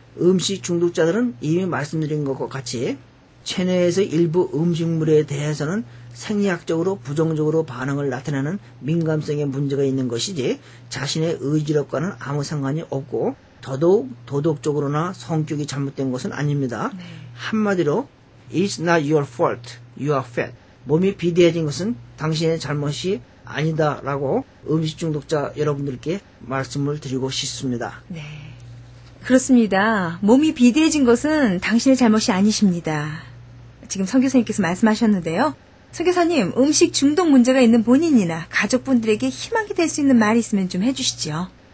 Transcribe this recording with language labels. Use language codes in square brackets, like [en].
[ko] 음식 중독자들은 이미 말씀드린 것과 같이 체내에서 일부 음식물에 대해서는 생리학적으로 부정적으로 반응을 나타내는 민감성에 문제가 있는 것이지 자신의 의지력과는 아무 상관이 없고 더더욱 도덕적으로나 성격이 잘못된 것은 아닙니다. 네. 한마디로 [en] It's not your fault, you are fat. [ko] 몸이 비대해진 것은 당신의 잘못이 아니다 라고 음식 중독자 여러분들께 말씀을 드리고 싶습니다. 네. 그렇습니다. 몸이 비대해진 것은 당신의 잘못이 아니십니다. 지금 선교사님께서 말씀하셨는데요. 선교사님, 음식 중독 문제가 있는 본인이나 가족분들에게 희망이 될 수 있는 말이 있으면 좀 해주시죠.